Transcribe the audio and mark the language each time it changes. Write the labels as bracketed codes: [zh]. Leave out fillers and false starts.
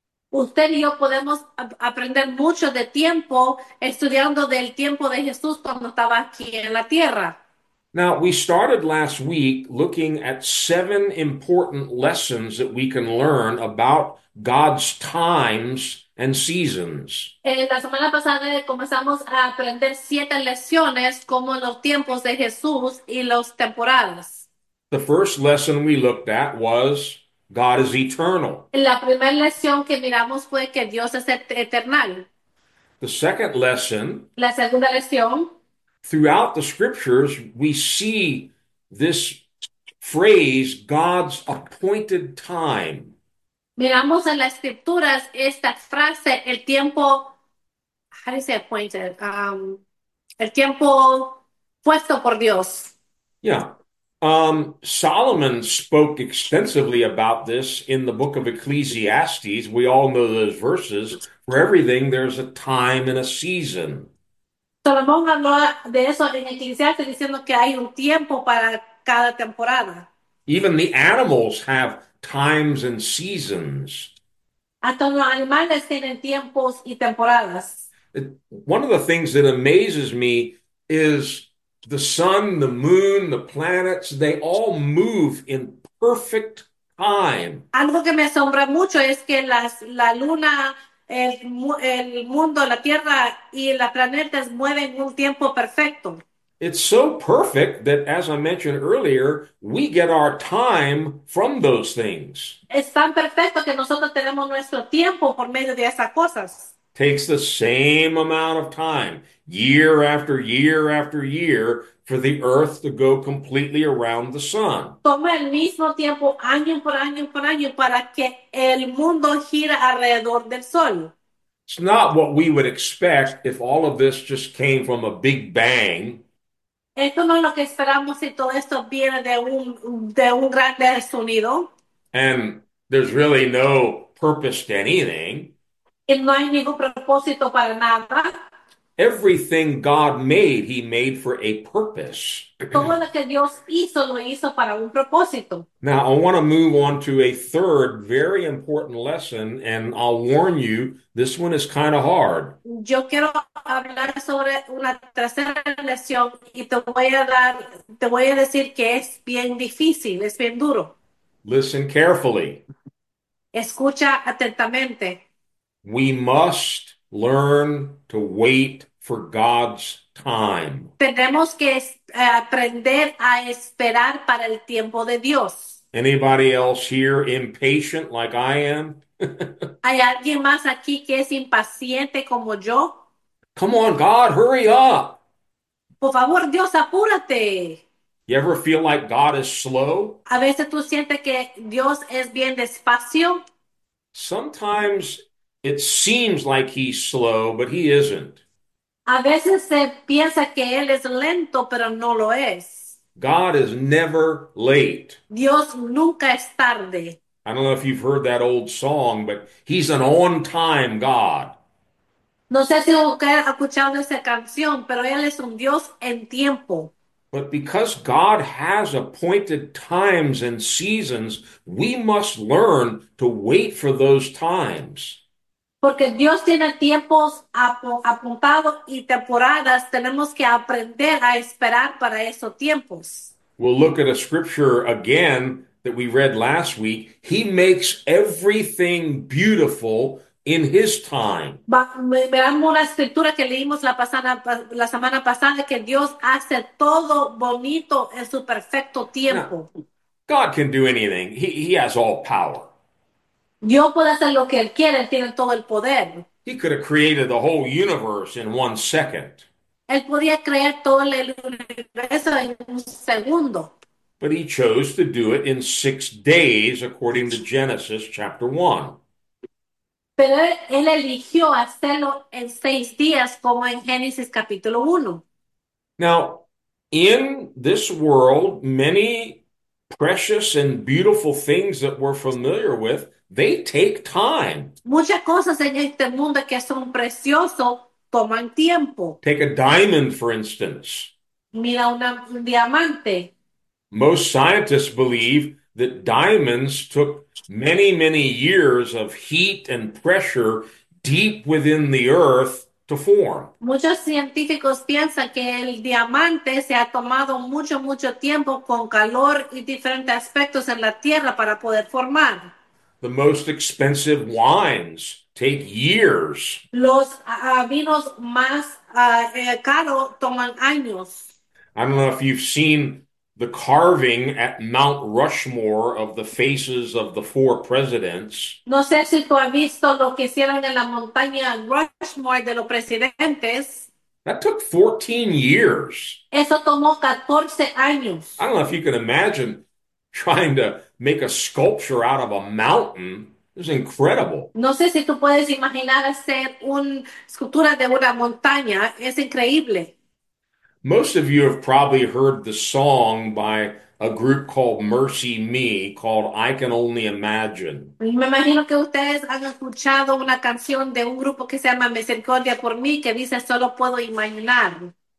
[es] Usted y yo podemos aprender mucho de tiempo estudiando del tiempo de Jesús cuando estaba aquí en la tierra. [en] Now, we started last week looking at seven important lessons that we can learn about God's times and seasons. [es] La semana pasada comenzamos a aprender 7 lecciones como los tiempos de Jesús y los temporales. [en] The first lesson we looked at was God is eternal. [es] La primera lección que miramos fue que Dios es eternal. [en] The second lesson. [es] La segunda lección. [en] Throughout the scriptures, we see this phrase, God's appointed time. [es] Miramos en las escrituras esta frase, el tiempo, [en] how do you say appointed? [es] El tiempo puesto por Dios. [en] Solomon spoke extensively about this in the book of Ecclesiastes. We all know those verses. For everything, there's a time and a season. [es] Salomón habló de eso en Eclesiastés diciendo que hay un tiempo para cada temporada. [en] Even the animals have times and seasons. [es] Hasta los animales tienen tiempos y temporadas. [en] One of the things that amazes me is the sun, the moon, the planets, they all move in perfect time. [es] Algo que me asombra mucho es que la luna, el mundo, la tierra y los planetas mueven un tiempo perfecto. [en] It's so perfect that, as I mentioned earlier, we get our time from those things. [es] Es tan perfecto que nosotros tenemos nuestro tiempo por medio de esas cosas. [en] Takes the same amount of time, year after year after year, for the Earth to go completely around the sun. [es] Toma el mismo tiempo, año por año por año, para que el mundo gira alrededor del sol. [en] It's not what we would expect if all of this just came from a big bang. [es] Esto no es lo que esperamos si todo esto viene de un gran sonido. [en] And there's really no purpose to anything. [es] Y no hay ningún propósito para nada. [en] Everything God made, he made for a purpose. [es] Todo lo que Dios hizo, lo hizo para un propósito. [en] Now, I want to move on to a third very important lesson, and I'll warn you, this one is kind of hard. [es] Yo quiero hablar sobre una tercera lección y te voy a decir que es bien difícil, es bien duro. [en] Listen carefully. [es] Escucha atentamente. [en] We must learn to wait for God's time. [es] Tenemos que aprender a esperar para el tiempo de Dios. [en] Anybody else here impatient like I am? [es] ¿Hay alguien más aquí que es impaciente como yo? [en] Come on, God, hurry up. [es] Por favor, Dios, apúrate. [en] You ever feel like God is slow? [es] A veces tú sientes que Dios es bien despacio. [en] Sometimes it seems like he's slow, but he isn't. [es] A veces se piensa que él es lento, pero no lo es. [en] God is never late. [es] Dios nunca es tarde. [en] I don't know if you've heard that old song, but he's an on-time God. [es] No sé si usted ha escuchado esa canción, pero él es un Dios en tiempo. [en] But because God has appointed times and seasons, we must learn to wait for those times. [es] Porque Dios tiene tiempos apuntados y temporadas, tenemos que aprender a esperar para esos tiempos. [en] We'll look at a scripture again that we read last week. He makes everything beautiful in his time. [es] Veamos una escritura que leímos la semana pasada, que Dios hace todo bonito en su perfecto [en] Now, [es] tiempo. [en] God can do anything. He has all power. [es] Dios puede hacer lo que Él quiere, Él tiene todo el poder. [en] He could have created the whole universe in 1 second. [es] Él podía crear todo el universo en un segundo. [en] But he chose to do it in 6 days, according to Genesis chapter 1. [es] Pero él eligió hacerlo en 6 días, como en Génesis capítulo 1. [en] Now, in this world, many precious and beautiful things that we're familiar with, they take time. [es] Muchas cosas en este mundo que son preciosas toman tiempo. [en] Take a diamond, for instance. [es] Mira un diamante. [en] Most scientists believe that diamonds took many, many years of heat and pressure deep within the earth to form. [es] Muchos científicos piensan que el diamante se ha tomado mucho, mucho tiempo con calor y diferentes aspectos en la tierra para poder formar. [en] The most expensive wines take years. [es] Los vinos más caros toman años. [en] I don't know if you've seen the carving at Mount Rushmore of the faces of the four presidents. [es] No sé si tú has visto lo que hicieron en la montaña Rushmore de los presidentes. [en] That took 14 years. [es] Eso tomó 14 [en] I [es] años. [en] don't know if you can imagine trying to make a sculpture out of a mountain. It was incredible. [es] No sé si tú puedes imaginar hacer una escultura de una montaña. Es increíble. [en] Most of you have probably heard the song by a group called Mercy Me, called I Can Only Imagine. [es] Me imagino que ustedes han escuchado una canción de un grupo que se llama Misericordia por mí, que dice Solo puedo imaginar.